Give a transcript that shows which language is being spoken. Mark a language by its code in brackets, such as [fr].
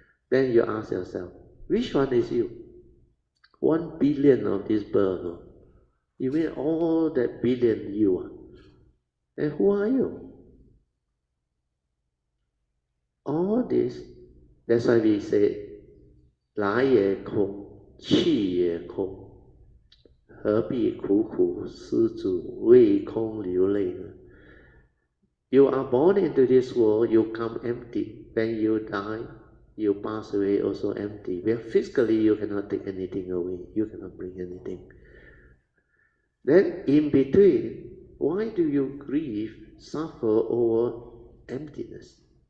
[en] Then you ask yourself, which one is you? 1 billion of these birds, you mean all that billion you are. And who are you? All this, that's why we say, La ye kong. [zh] 气也空, 何必苦苦, 施主, 为空流泪? [en] You are born into this world, you come empty. When you die, you pass away also empty. Well, physically, you cannot take anything away. You cannot bring anything. Then in between, why do you grieve, suffer over emptiness?